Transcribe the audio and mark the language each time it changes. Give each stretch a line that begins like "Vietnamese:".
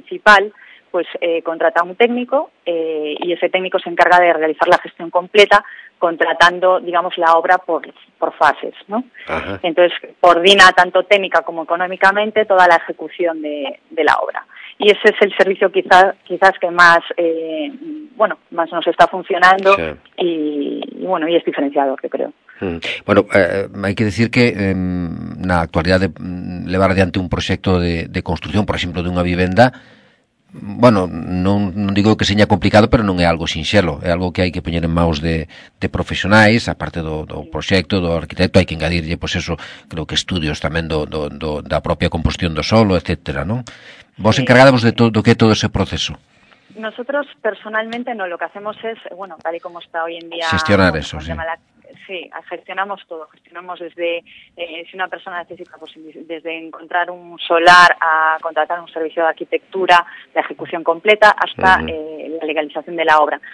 Spanish: principal, pues contrata a un técnico y ese técnico se encarga de realizar la gestión completa contratando, digamos, la obra por fases, ¿no? Ajá. Entonces, coordina tanto técnica como económicamente toda la ejecución de la obra. Y ese es el servicio quizás que más, bueno, más nos está funcionando sí. y bueno, y es diferenciador, yo creo.
Galician: Bueno, hay que decir que na actualidade de levar adiante un proxecto de construcción, por exemplo, de unha vivenda, bueno, non, non digo que seña complicado, pero non é algo sinxelo, é algo que hai que poñer en maus de profesionais, aparte do, do proxecto, do arquitecto, hai que engadirlle, pois eso, creo que estudios tamén do, do, do, da propia composición do solo, etc., non? Vos encargádavos de todo, do que todo ese proceso.
Spanish: Nosotros personalmente no, lo que hacemos es, bueno, tal y como está hoy en día, gestionar eso, sí. Sí, gestionamos todo, gestionamos desde, si una persona necesita, pues desde encontrar un solar a contratar un servicio de arquitectura, la ejecución completa, hasta la legalización de la obra.